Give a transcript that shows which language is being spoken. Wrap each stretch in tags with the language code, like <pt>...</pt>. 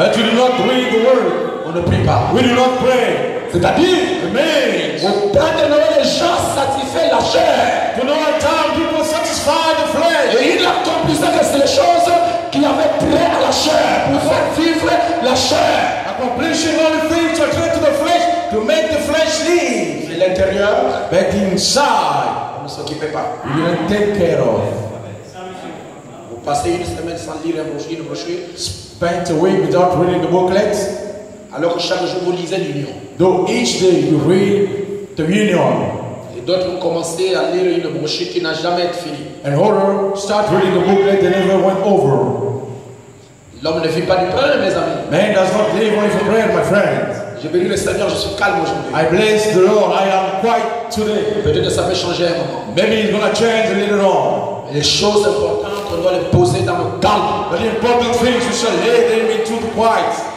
<en>And you do not read the word.</en> <fr>On ne prie pas.</fr> <en>We do not pray.</en> <fr>C'est-à-dire, amen. Au temps de Noé, les gens satisfaient la chair.</fr> <en>To Noah time, people satisfied the flesh.</en> <fr>Et il accomplissait que c'est les choses qui avaient trait à la chair. Pour faire vivre la chair.</fr> <en>Accomplishing all the things to attract to the flesh, to make the flesh live.</en> <fr>Mais l'intérieur,</fr> <en>but inside,</en> <fr>on ne s'occupait pas.</fr> <en>You don't take care of.</en> <fr>Vous passez une semaine sans lire une brochure.</fr> <en>Spent a week without reading the booklets.</en> <fr>Alors que chaque jour vous lisez l'union. Donc,</fr> <en>each day you read the union.</en> <fr>Et d'autres ont commencé à lire une brochure qui n'a jamais été finie.</fr> <en>And horror, start reading the booklet that never went over.</en> <fr>L'homme ne vit pas du pain, mes amis.</fr> <en>Man does not live only from bread, my friend.</en> <fr>Je bénis le Seigneur, je suis calme aujourd'hui.</fr> <en>I bless the Lord, I am quiet today.</en> <fr>Peut-être ça peut changer un moment.</fr> <en>Maybe it's gonna change later on.</en> <fr>Mais les choses importantes, on doit les poser dans le calme.</fr> <en>But the important things, you shall lay them into the quiet.</en>